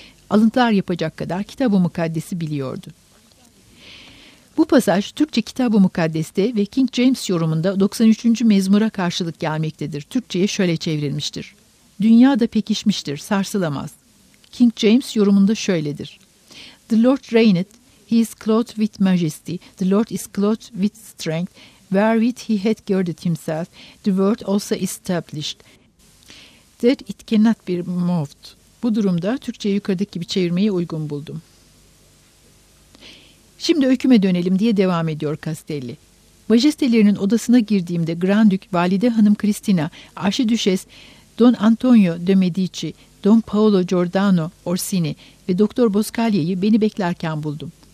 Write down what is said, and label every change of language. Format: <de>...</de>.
<tr>Alıntılar yapacak kadar Kitab-ı Mukaddes'i biliyordu. Bu pasaj Türkçe Kitab-ı Mukaddes'te ve King James yorumunda 93. mezmura karşılık gelmektedir. Türkçe'ye şöyle çevrilmiştir. Dünya da pekişmiştir, sarsılamaz. King James yorumunda şöyledir.</tr> <en>The Lord reigneth, he is clothed with majesty, the Lord is clothed with strength, wherewith he hath girded himself, the world also established, that it cannot be moved.</en> <tr>Bu durumda Türkçe'ye yukarıdaki gibi çevirmeyi uygun buldum. Şimdi öyküme dönelim diye devam ediyor Castelli. Majestelerinin odasına girdiğimde Grand Duke, Valide Hanım Cristina, Arşidüşes, Don Antonio de Medici, Don Paolo Giordano Orsini ve Doktor Boscaglia'yı beni beklerken buldum.</tr>